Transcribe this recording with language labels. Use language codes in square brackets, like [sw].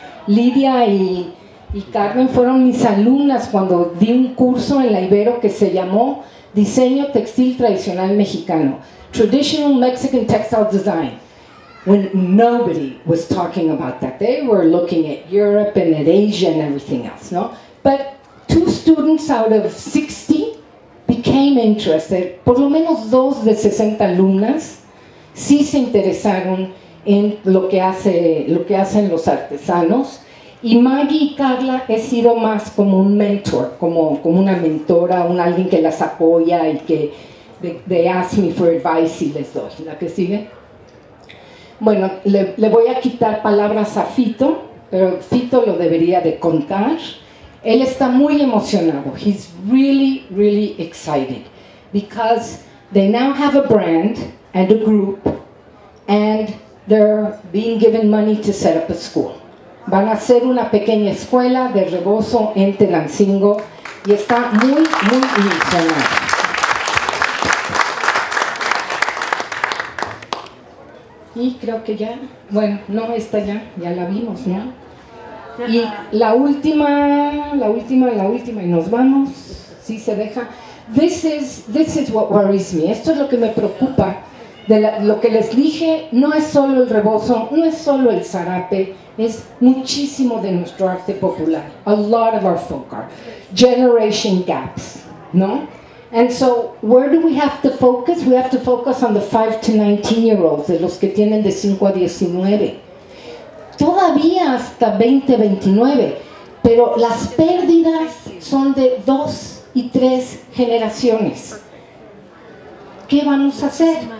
[es] Lidia y Carmen fueron mis alumnas cuando di un curso en la Ibero que se llamó Diseño Textil Tradicional Mexicano, [en] Traditional Mexican Textile Design, when nobody was talking about that. They were looking at Europe and at Asia and everything else, no? But two students out of 60 became interested. [es] Por lo menos dos de 60 alumnas sí se interesaron en lo que hace, lo que hacen los artesanos. Y Maggie y Carla he sido más como un mentor, como, como una mentora, un alguien que las apoya y que [en] they ask me for advice [es] y les doy. ¿La que sigue? Bueno, le voy a quitar palabras a Fito, pero Fito lo debería de contar. Él está muy emocionado. [en] He's really, really excited because they now have a brand and a group and they're being given money to set up a school. [es] Van a hacer una pequeña escuela de Rebozo en Tenancingo y está muy, muy emocionado. Y creo que ya, bueno, no, esta ya, ya la vimos, ¿no? Y la última y nos vamos, si se deja. [en] This is what worries me, [es] esto es lo que me preocupa. De la, lo que les dije, no es solo el Rebozo, no es solo el Zarape, es muchísimo de nuestro arte popular. [en] A lot of our folk art. Generation gaps, ¿no? And so, where do we have to focus? We have to focus on the 5 to 19 year olds, [es] de los que tienen de 5 a 19. Todavía hasta 20, 29. Pero las pérdidas son de 2 y 3 generaciones. ¿Qué vamos a hacer?